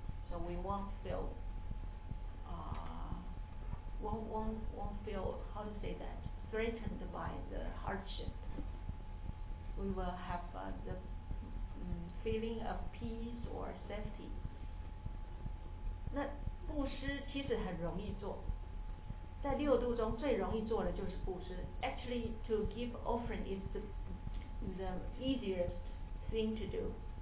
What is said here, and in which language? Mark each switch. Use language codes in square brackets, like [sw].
[en] So we won't feel, how to say that, threatened by the hardship. We will have the feeling of peace or safety. [zh] 那布施其实很容易做，在六度中最容易做的就是布施。 [en] Actually, to give offering is the easiest thing to do.